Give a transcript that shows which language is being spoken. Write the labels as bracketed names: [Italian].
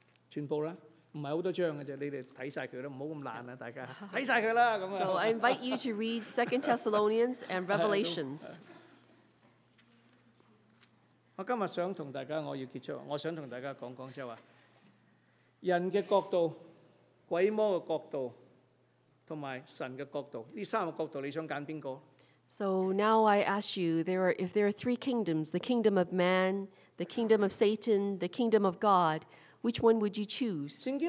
[Chinese] 全部啦, 不是很多章的, 你們看完它, 不要那麼懶啊, 大家, 看完它啦, [English] so I invite you to read Second Thessalonians and Revelations. [Chinese] 我今天想跟大家, 我要結束, 我想跟大家講講, 就是說, 人的角度, 鬼魔的角度, 和神的角度, 这三个角度, 你想选哪个? [English] So now I ask you, if there are three kingdoms, the kingdom of man, the kingdom of Satan, the kingdom of God, which one would you choose?